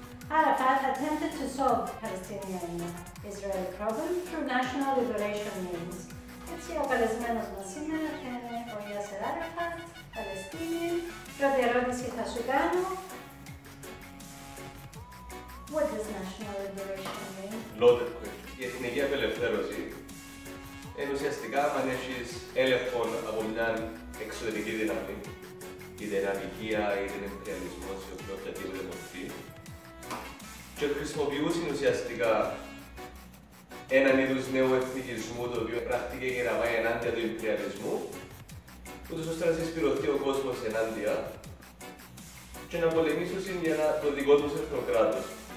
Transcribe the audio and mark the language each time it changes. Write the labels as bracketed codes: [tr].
[en] Arafat attempted to solve the Palestinian-Israeli problem through national liberation means. [el] Έτσι ο καλεσμένος μας σήμερα είναι ο Yasser Arafat, Palestinian. Πρώτη ερώτηση θα σου κάνω. [en] What does national liberation mean? Loaded question. [el] Η εθνική απελευθέρωση είναι ουσιαστικά αν έχεις έλεγχο από μια εξωτερική δύναμη, είτε είναι αδικία, είτε είναι εμπεριαλισμός, ή οποιοδήποτε μορφή. Και χρησιμοποιούσαν ουσιαστικά έναν είδους νέου εθνικισμού το οποίο πράχτηκε για να πάει ενάντια του εμπεριαλισμού, ούτως ώστε να συσπηρωθεί ο κόσμος ενάντια και να πολεμήσουν για το δικό τους εθνοκράτος.